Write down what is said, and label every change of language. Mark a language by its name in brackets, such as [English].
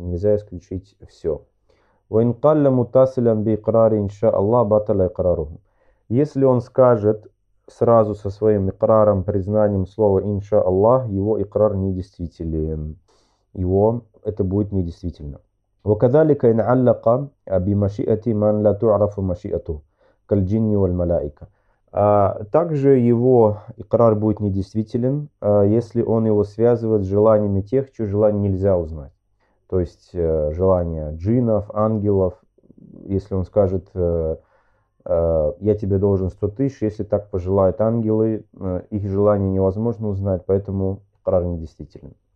[Russian] Нельзя исключить все. [Arabic] وَإِنْ قَلَّ مُتَسِلًا بِإِقْرَارِ إِنْشَاءَ اللَّهَ بَطَلَ إِقْرَارُهُ. [Russian] Если он скажет сразу со своим икраром, признанием слова «Инша Аллах», его икрар недействителен. Его это будет недействительно. [Arabic] وكذلك ان علق بمشيئه من لا تعرف مشيئته كالجن والملائكه. [Russian] Также его икрар будет недействителен, если он его связывает с желаниями тех, чьи желания нельзя узнать. То есть желания джиннов, ангелов. Если он скажет, я тебе должен 100 тысяч, если так пожелают ангелы, их желания невозможно узнать, поэтому икрар недействителен.